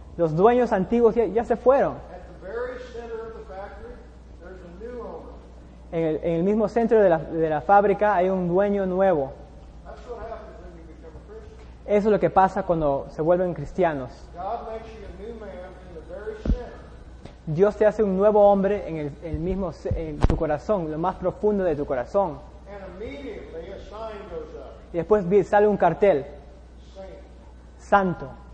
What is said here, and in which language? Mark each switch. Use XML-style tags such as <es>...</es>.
<es>Los dueños antiguos ya se fueron.</es> <en>At the very center of the factory, there's a new owner.</en> <es>En el mismo centro de la fábrica hay un dueño nuevo.</es> <en>That's what happens when you become a Christian.</en> <es>Eso es lo que pasa cuando se vuelven cristianos.</es> <en>God makes you a new man in the very center.</en> <es>Dios te hace un nuevo hombre en tu corazón, lo más profundo de tu corazón.</es> <en>And immediately a sign goes up.</en> <es>Y después sale un cartel. Santo.</es>